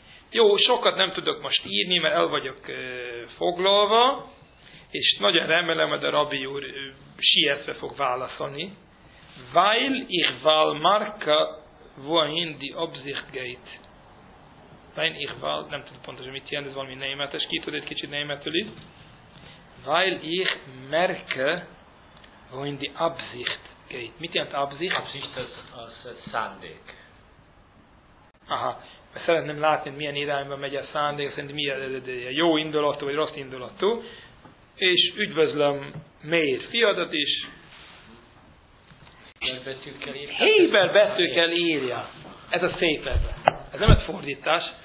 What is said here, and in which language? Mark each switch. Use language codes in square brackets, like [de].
[hu] Jó, sokat nem tudok most írni, mert el vagyok foglalva, és nagyon remélem, hogy a rabbi úr sietve fog válaszolni. [de] Weil ich wal marka wohin die Absicht geht. Weil ich wal, [hu] nem tudom pontosan mit jelent, ez valami németes, ki tud egy kicsit németül itt. [de] Weil ich merke wohin die Absicht geht. [hu] Mit jelent Absicht? Absicht az szándék. Aha. Mert szeretném látni, milyen irányba megy a szándék, szerintem mi a jó indulatú, vagy rossz indulatú. És üdvözlöm Mér fiadat is. Héber betűkkel írja. Ez a szép ebben. Ez nem egy fordítás.